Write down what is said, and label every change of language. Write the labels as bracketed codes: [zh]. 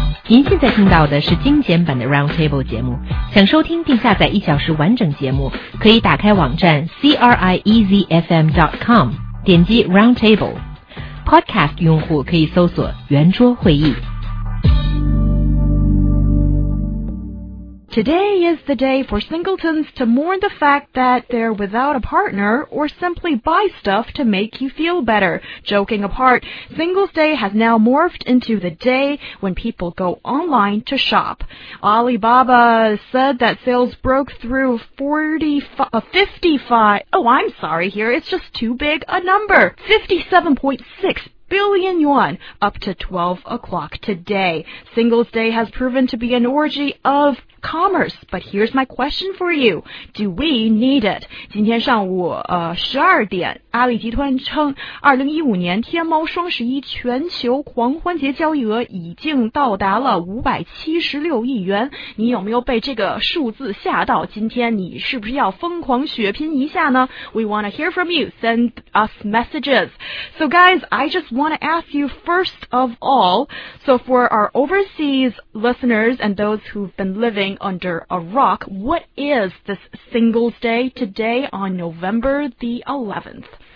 [zh] 您现在听到的是精简版的 Roundtable 节目，想收听并下载一小时完整节目，可以打开网站 CRIEZFM.com， 点击 Roundtable。 Podcast 用户可以搜索圆桌会议。 [en] Today is the day for singletons to mourn the fact that they're without a partner or simply buy stuff to make you feel better. Joking apart, Singles Day has now morphed into the day when people go online to shop. Alibaba said that sales broke through 57.6 billion yuan, up to 12 o'clock today. Singles Day has proven to be an orgy of commerce, but here's my question for you. Do we need it? [zh] 今天上午12点，阿里集团称2015年天猫双十一全球狂欢节交易额已经到达了576亿元。你有没有被这个数字吓到？今天你是不是要疯狂血拼一下呢？ [en] We want to hear from you. Send us messages. So guys, I justwant to ask you first of all, so for our overseas listeners and those who've been living under a rock, what is this Singles Day today on November the 11th?